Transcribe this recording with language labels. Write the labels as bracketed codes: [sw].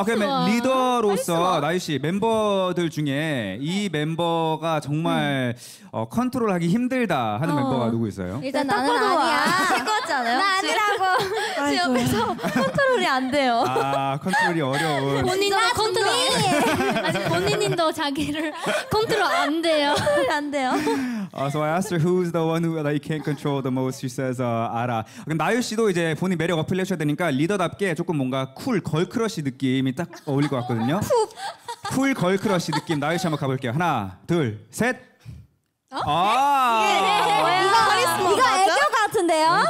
[ko] 아, 그러면 리더로서 나유 씨 멤버들 중에 이 멤버가 정말 컨트롤하기 힘들다 하는 멤버가 누구 있어요? 일단 나는 아니야. 최고잖아요. 나 아니라고. 지금 옆에서 컨트롤이 안 돼요. 아, 컨트롤이 어려운. 본인도 컨트롤. 아직 본인도 자기를 컨트롤 안 돼요. 안 돼요. [en] So I asked her who's the one who like can't control the most. She says, "아라." [ko] 그럼 나유 씨도 이제 본인 매력 어필 해주셔야 되니까 리더답게 조금 뭔가 쿨 걸크러쉬 느낌이 딱 어울릴 것 같거든요. 쿨 걸크러쉬 느낌 나유 씨 한번 가볼게요. 하나, 둘, 셋. 아, 이거 애교 같은데요?